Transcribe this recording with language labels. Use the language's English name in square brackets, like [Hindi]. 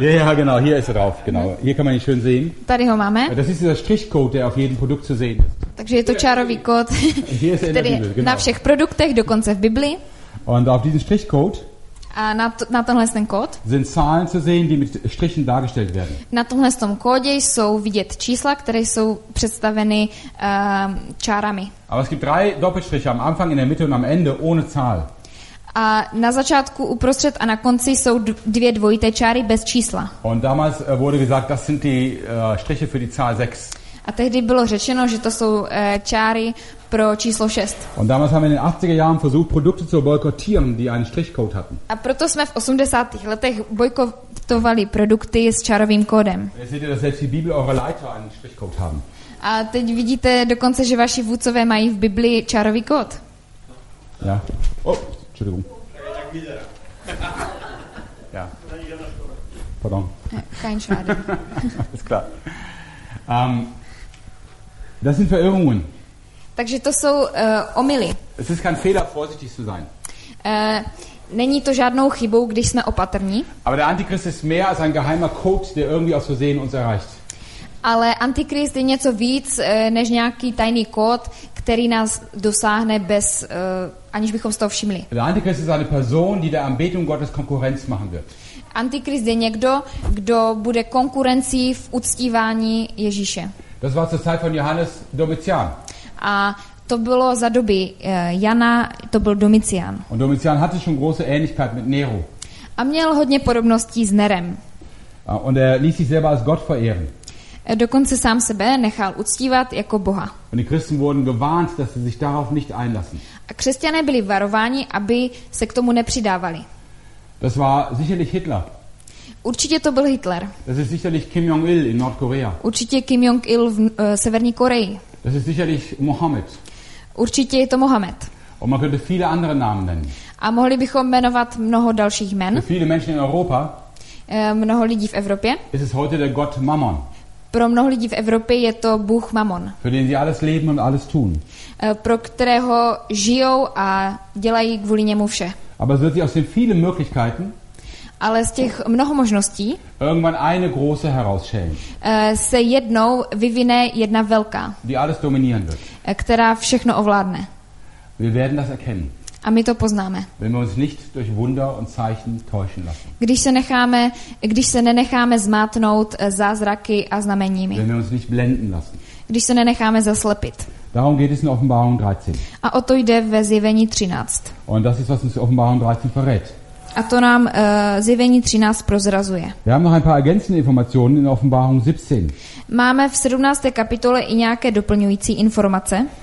[German] ja, genau, hier ist er drauf, genau. Hier kann man ihn schön sehen. [Czech] Tady ho máme. [German] Das ist dieser Strichcode, der auf jedem Produkt zu sehen ist. [Czech] Takže je to čárový kód, který je na všech produktech, dokonce v Biblii. [German] Und auf diesen Strichcode. [Czech] A na tenhle ten kód. [German] Sind Zahlen zu sehen, die mit Strichen dargestellt werden. [Czech] Na tomhle tom kódě jsou vidět čísla, které jsou představeny čárami. [German] Aber es gibt drei Doppelstriche am Anfang, in der Mitte und am Ende ohne Zahl. [Czech] A na začátku, uprostřed a na konci jsou dvě dvojité čáry bez čísla. [German] Und damals wurde gesagt, das sind die Striche für die Zahl 6. [Czech] A tehdy bylo řečeno, že to jsou čáry pro číslo 6. [German] Und damals haben wir in den 80er Jahren versucht, Produkte zu boykottieren, die einen Strichcode hatten. [Czech] A proto jsme v 80. letech bojkotovali produkty s čárovým kódem. [German] Jetzt seht ihr, dass selbst die Bibel eure Leiter einen Strichcode haben. [Czech] A teď vidíte dokonce, že vaši vůdcové mají v Biblii čárový kód. [German] Ja. Oh. Entschuldigung. Ja. Pardon. Kein Schaden. Alles klar. Das sind Verirrungen. [Czech] Takže to jsou omily. [German] Es ist kein Fehler, vorsichtig zu sein. [Czech] Není to žádnou chybou, když jsme opatrní. [German] Aber der Antichrist ist mehr als ein geheimer Code, der irgendwie aus Versehen uns erreicht. [Czech] Ale Antikrist je něco víc než nějaký tajný kód, který nás dosáhne bez aniž bychom z toho všimli. [German] Der Antichrist ist eine Person, die der Anbetung Gottes Konkurrenz machen wird. [Czech] Antikrist je někdo, kdo bude konkurencí v uctívání Ježíše. [German] Das war zur Zeit von Johannes Domitian. [Czech] A to bylo za doby Jana, to byl Domitian. [German] Und Domitian hatte schon große Ähnlichkeit mit Nero. [Czech] A měl hodně podobností s Nerem. [German] Und er ließ sich selber als Gott verehren. [Czech] Dokonce sám sebe nechal uctívat jako Boha. [German] Und die Christen wurden gewarnt, dass sie sich darauf nicht einlassen. [Czech] A křesťané byli varováni, aby se k tomu nepřidávali. [German] Das war sicherlich Hitler. [Czech] Určitě to byl Hitler. [German] Das ist sicherlich Kim Jong-il in Nordkorea. [Czech] Určitě Kim Jong-il v severní Koreji. [German] Das ist sicherlich Mohammed. [Czech] Určitě je to Mohammed. [German] Und man könnte viele andere Namen nennen. [Czech] A mohli bychom jmenovat mnoho dalších jmen. [German] Für viele Menschen in Europa. [Czech] Mnoho lidí v Evropě. [German] Es ist heute der Gott Mammon. [Czech] Pro mnoho lidí v Evropě je to Bůh Mammon. [German] Für den sie alles leben und alles tun. [Czech] Pro kterého žijou a dělají kvůli němu vše. [German] Aber es wird sie aus den vielen Möglichkeiten. [Czech] Ale z těch mnoho možností. [German] Irgendwann eine große herausschälen. [Czech] Se jednou vyvine jedna velká. [German] Die alles dominieren wird. [Czech] Která všechno ovládne. [German] Wir werden das erkennen. [Czech] A my to poznáme. [German] Wenn wir uns nicht durch Wunder und Zeichen täuschen lassen. [Czech] Když se nenecháme zmátnout zázraky a znameními. [German] Wenn wir uns nicht blenden lassen. [Czech] Když se nenecháme zaslepit. [German] Darum geht es in Offenbarung 13. [Czech] A o to jde ve Zjevení 13. [German] Und das ist, was uns Offenbarung 13 verrät. [Czech] A to nám Zjevení 13 prozrazuje. [German] Wir haben noch ein paar ergänzende Informationen in Offenbarung 17. [Czech] Máme v 17. kapitole i nějaké doplňující informace.